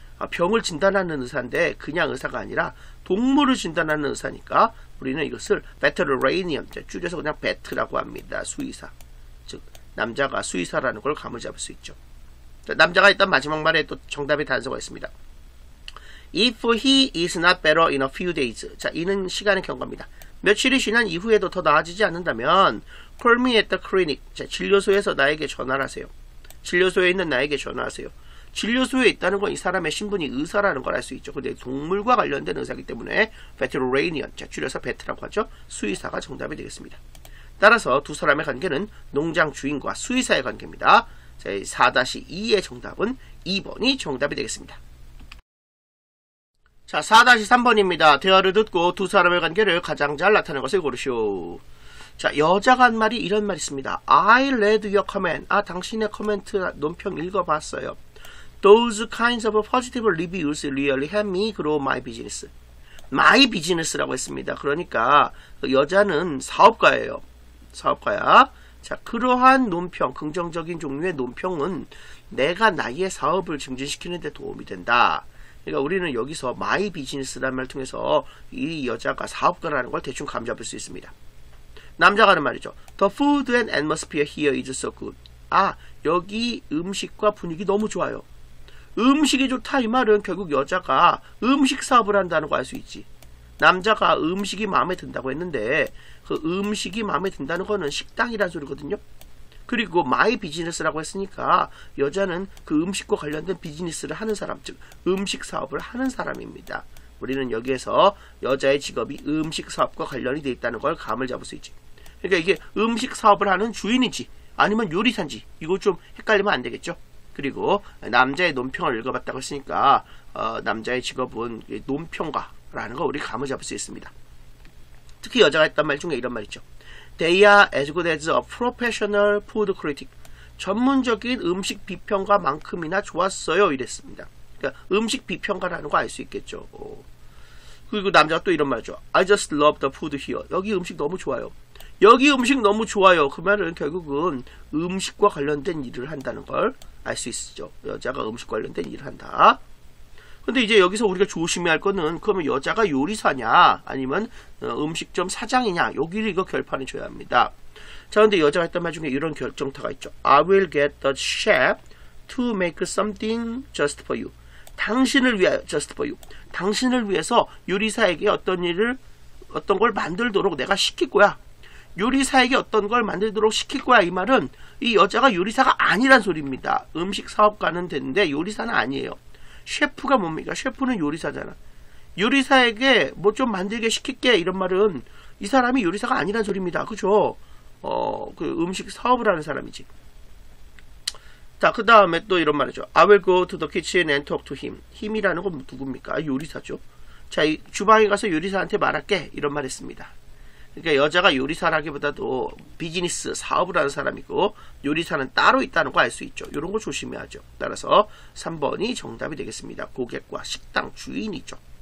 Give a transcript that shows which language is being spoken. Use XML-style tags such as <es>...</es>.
<ko>병을 진단하는 의사인데 그냥 의사가 아니라 동물을 진단하는 의사니까 우리는 이것을 veterinarian, 줄여서 그냥 vet라고 합니다. 수의사. 즉 남자가 수의사라는 걸 감을 잡을 수 있죠. 남자가 일단 마지막 말에 또 정답의 단서가 있습니다.</ko> <en>If he is not better in a few days.</en> <ko>자, 이는 시간의 경과입니다. 며칠이 지난 이후에도 더 나아지지 않는다면</ko> <en>Call me at the clinic.</en> <ko>자, 진료소에서 나에게 전화를 하세요. 진료소에 있는 나에게 전화하세요. 진료소에 있다는 건 이 사람의 신분이 의사라는 걸 알 수 있죠. 근데 동물과 관련된 의사이기 때문에 veterinarian, 자, 줄여서 vet라고 하죠. 수의사가 정답이 되겠습니다. 따라서 두 사람의 관계는 농장 주인과 수의사의 관계입니다. 자, 4-2의 정답은 2번이 정답이 되겠습니다. 자, 4-3번입니다. 대화를 듣고 두 사람의 관계를 가장 잘 나타내는 것을 고르시오. 자, 여자가 한 말이 이런 말이 있습니다.</ko> <en>I read your comment.</en> <ko>아, 당신의 코멘트 논평 읽어봤어요.</ko> <en>Those kinds of positive reviews really help me grow my business. My business</en> <ko>라고 했습니다. 그러니까 여자는 사업가예요. 사업가야. 자, 그러한 논평, 긍정적인 종류의 논평은 내가 나의 사업을 증진시키는 데 도움이 된다. 그러니까 우리는 여기서 마이 비즈니스라는 말을 통해서 이 여자가 사업가라는 걸 대충 감잡을 수 있습니다. 남자가 하는 말이죠.</ko> <en>The food and atmosphere here is so good.</en> <ko>아, 여기 음식과 분위기 너무 좋아요. 음식이 좋다 이 말은 결국 여자가 음식 사업을 한다는 걸 알 수 있지. 남자가 음식이 마음에 든다고 했는데 그 음식이 마음에 든다는 거는 식당이라는 소리거든요. 그리고 마이 비즈니스라고 했으니까 여자는 그 음식과 관련된 비즈니스를 하는 사람, 즉 음식 사업을 하는 사람입니다. 우리는 여기에서 여자의 직업이 음식 사업과 관련이 되어 있다는 걸 감을 잡을 수 있지. 그러니까 이게 음식 사업을 하는 주인인지 아니면 요리사인지 이거 좀 헷갈리면 안 되겠죠. 그리고 남자의 논평을 읽어봤다고 했으니까 남자의 직업은 논평가라는 걸 우리 감을 잡을 수 있습니다. 특히 여자가 했던 말 중에 이런 말 있죠.</ko> <en>They are as good as a professional food critic.</en> <ko>전문적인 음식 비평가만큼이나 좋았어요. 이랬습니다. 그러니까 음식 비평가라는 거 알 수 있겠죠. 그리고 남자가 또 이런 말이죠.</ko> <en>I just love the food here.</en> <ko>여기 음식 너무 좋아요. 여기 음식 너무 좋아요. 그 말은 결국은 음식과 관련된 일을 한다는 걸 알 수 있죠. 여자가 음식 관련된 일을 한다. 근데 이제 여기서 우리가 조심해야 할 거는 그러면 여자가 요리사냐 아니면 음식점 사장이냐 여기를 이거 결판을 줘야 합니다. 자, 근데 여자가 했던 말 중에 이런 결정타가 있죠.</ko> <en>I will get the chef to make something just for you.</en> <ko>당신을 위해</ko> <en>just for you.</en> <ko>당신을 위해서 요리사에게 어떤 일을 어떤 걸 만들도록 내가 시킬 거야. 요리사에게 어떤 걸 만들도록 시킬 거야. 이 말은 이 여자가 요리사가 아니란 소리입니다. 음식 사업가는 되는데 요리사는 아니에요. 셰프가 뭡니까? 셰프는 요리사잖아. 요리사에게 뭐 좀 만들게 시킬게 이런 말은 이 사람이 요리사가 아니란 소리입니다. 그죠? 그 음식 사업을 하는 사람이지. 자, 그 다음에 또 이런 말이죠.</ko> <en>I will go to the kitchen and talk to him.</en> <ko>힘이라는 건 누굽니까? 요리사죠. 자, 이 주방에 가서 요리사한테 말할게 이런 말 했습니다. 그러니까 여자가 요리사라기보다도 비즈니스 사업을 하는 사람이고 요리사는 따로 있다는 거 알 수 있죠. 이런 거 조심해야죠. 따라서 3번이 정답이 되겠습니다. 고객과 식당 주인이죠.</ko>